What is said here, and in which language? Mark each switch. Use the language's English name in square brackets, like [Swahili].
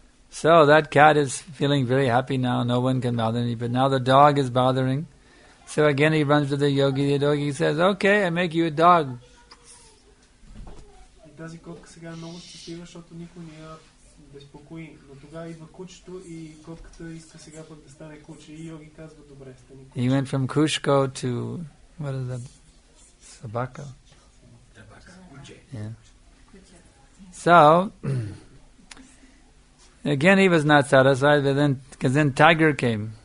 [English] So that cat is feeling very happy now. No one can bother me. But now the dog is bothering. So again he runs to the yogi. The yogi says, okay, I make you a dog. [Bulgarian] Тази котка сега много щастлива, защото никой не я безпокои. Но тогава идва кучето и котката иска сега пък да стане куче. И йоги казва, добре, стани куче. [English] He went from Kushko to, what is that, Sabaka? Yeah. So, again he was not satisfied, but then, because then tiger came.